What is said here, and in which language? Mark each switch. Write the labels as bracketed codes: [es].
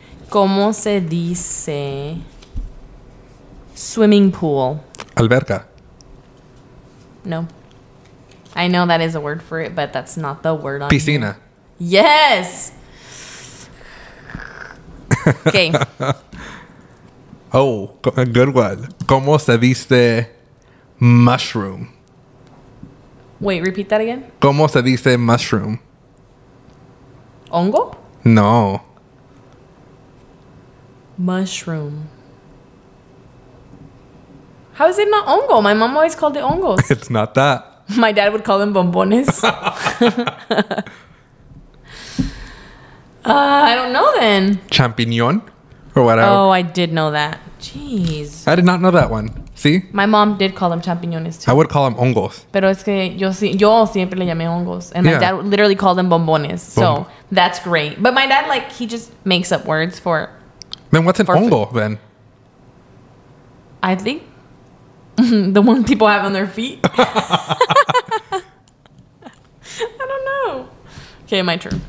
[es] ¿Cómo se dice swimming pool? Alberca. No. [en] I know that is a word for it, but that's not the word on [es] piscina. [en] Here. Yes! Okay. Oh, a good one. [es] ¿Cómo se dice mushroom? [en] Wait, repeat that again. [es] ¿Cómo se dice mushroom? ¿Hongo? No. [en] Mushroom. How is it not hongo? My mom always called it hongos. It's not that. My dad would call them bombones. I don't know then. Champignon or whatever. Oh, I did know that. Jeez. I did not know that one. See? My mom did call them champiñones too. I would call them hongos. [es] Pero es que yo siempre le llamé hongos. [en] And my dad would literally call them bombones. So that's great. But my dad, like, he just makes up words for... Then what's an hongo then? I think the one people have on their feet. I don't know. Okay, my turn.